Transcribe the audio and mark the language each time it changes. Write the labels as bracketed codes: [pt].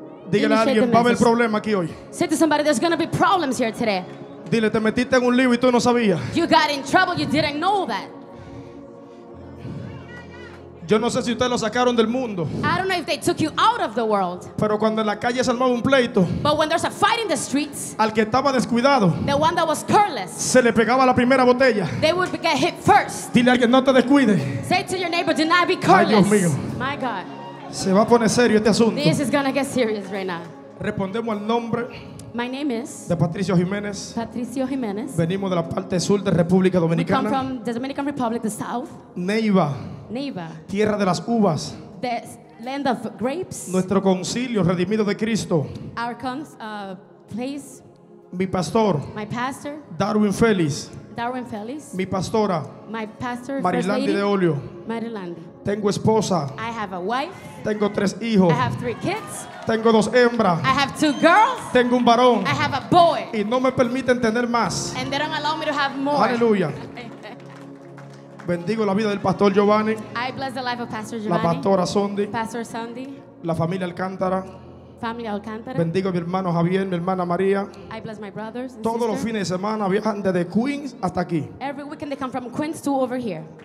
[es] Dígale a alguien, va a haber problema aquí hoy. [en] Say to somebody, there's gonna be problems here today. [es] Dile, te metiste en un lío y tú no sabías. [en] You got in trouble, you didn't know that. [es] Yo no sé si ustedes lo sacaron del mundo. [en] I don't know if they took you out of the world. [es] Pero cuando en la calle se armaba un pleito. [en] But when there's a fight in the streets. [es] Al que estaba descuidado. [en] The one that was careless. [es] Se le pegaba la primera botella. [en] They would get hit first. [es] Dile a alguien, no te descuides. [en] Say to your neighbor, do not be careless. [es] Ay, Dios mío. [en] My God. [es] Se va a poner serio este asunto. [en] This is gonna get serious right now. [es] Respondemos al nombre. [en] My name is [es] de Patricio Jiménez. [en] Patricio Jiménez. [es] Venimos de la parte sur de República Dominicana. [en] We come from the Dominican Republic, the south. [es] Neiva. [en] Neiva. [es] Tierra de las uvas. [en] The land of grapes. [es] Nuestro concilio redimido de Cristo. [en] Our place. [es] Mi pastor. [en] My pastor. [es] Darwin Félix. [en] Darwin Félix. [es] Mi pastora. [en] My pastor. [es] Marilandi de Olio. [en] Marilandi. [es] Tengo esposa. [en] I have a wife. [es] Tengo tres hijos. [en] I have three kids. [es] Tengo dos hembras. [en] I have two girls. [es] Tengo un varón. [en] I have a boy. [es] Y no me permiten tener más. [en] And they don't allow me to have more. [es] Aleluya. Bendigo la vida del pastor Giovanni. [en] I bless the life of Pastor Giovanni. [es] La pastora Sondi. [en] Pastor Sondi. [es] La familia Alcántara. [en] Family Alcántara. [es] Bendigo a mi hermano Javier, mi hermana María. [en] I bless my brothers and [es] todos [en] sister. [es] Los fines de semana viajan desde Queens hasta aquí. [en] Every weekend they come from Queens to over here.